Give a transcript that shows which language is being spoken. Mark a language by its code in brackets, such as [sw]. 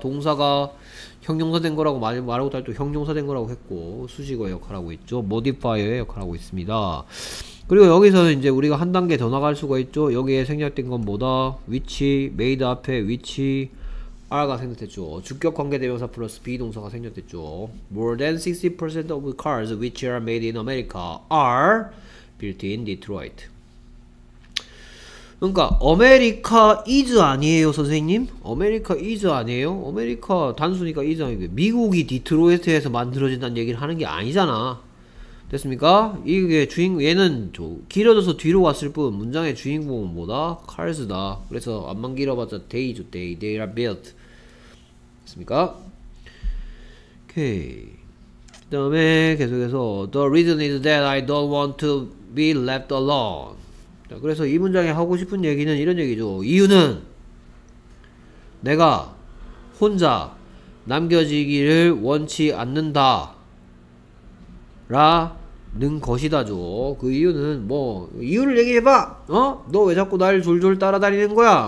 [ko] 동사가 형용사 된 거라고 말하고 딸또 형용사 된 거라고 했고 수식어의 역할을 하고 있죠. 모디파이어의 역할을 하고 있습니다. 그리고 여기서는 이제 우리가 한 단계 더 나갈 수가 있죠. 여기에 생략된 건 뭐다? 위치, 메이드 앞에 위치 R가 생겼죠. 주격 관계대명사 플러스 비동사가 생겼죠. [en] More than 60% of cars which are made in America are built in Detroit. [ko] 그러니까 America is 아니에요, 선생님? America is 아니에요? America 단순히가 is 아니에요. 미국이 디트로이트에서 만들어진다는 얘기를 하는 게 아니잖아. 됐습니까? 이게 주인공 얘는 길어져서 뒤로 갔을 뿐 문장의 주인공은 뭐다? Cars다. 그래서 앞만 길어봤자 they죠, they. [en] They are built. [ko] 있습니까? 오케이. 그다음에 계속해서 [en] The reason is that I don't want to be left alone. [ko] 자, 그래서 이 문장에 하고 싶은 얘기는 이런 얘기죠. 이유는 내가 혼자 남겨지기를 원치 않는다 라는 것이다죠. 그 이유는 뭐 이유를 얘기해봐. 어? 너왜 자꾸 날 졸졸 따라다니는 거야?